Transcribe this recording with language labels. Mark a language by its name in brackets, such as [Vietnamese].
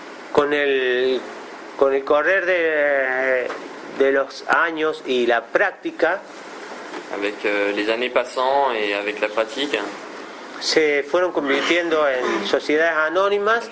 [Spanish] Con el correr de los años y la práctica, [French] avec les années passant et avec la pratique, [Spanish] se fueron convirtiendo en sociedades anónimas.